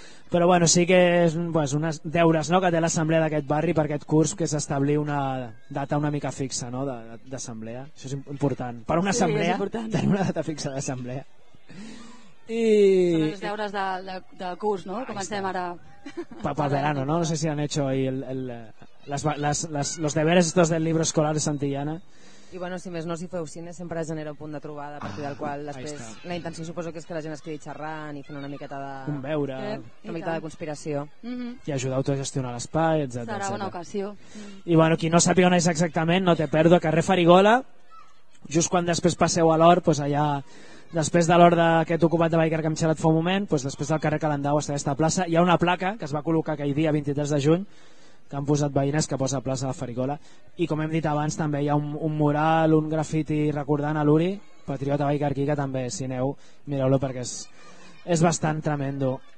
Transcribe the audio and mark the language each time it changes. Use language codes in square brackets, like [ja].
[ca] Però bueno, sí que és pues, unes deures, no?, que té l'assemblea d'aquest barri per aquest curs, que és establir una data una mica fixa, no?, d'assemblea. Això és important. Per una assemblea, sí, important. Tenir una data fixa d'assemblea. I són els deures de curs, no? Comencem ara. Pel verano, no? [es] No sé si han hecho ahí los deberes estos del libro escolar de Santillana. [ca] I bueno, si més no, si feu cine, sempre genera un punt de trobada a partir del qual després la intenció suposo que és que la gent es quedi xerrant i fent una miqueta de... Un veure. Una miqueta de conspiració. I ajudeu-te a gestionar l'espai, etc. Serà etcètera. Una ocasió. I bueno, qui no sàpiga on és exactament, no te perdo, carrer Farigola, just quan després passeu a l'Hort, pues allà, després de l'Hort d'aquest ocupat de Vallcarca que hem xerrat fa un moment, pues després del carrer Calendau està aquesta plaça, hi ha una placa que es va col·locar aquell dia 23 de juny, que han posat veïnes, que posa a plaça de Farigola, i com hem dit abans també hi ha un mural, un grafiti recordant a l'Uri, patriota vallcarquí, que també si aneu mireu-lo perquè és bastant tremendo.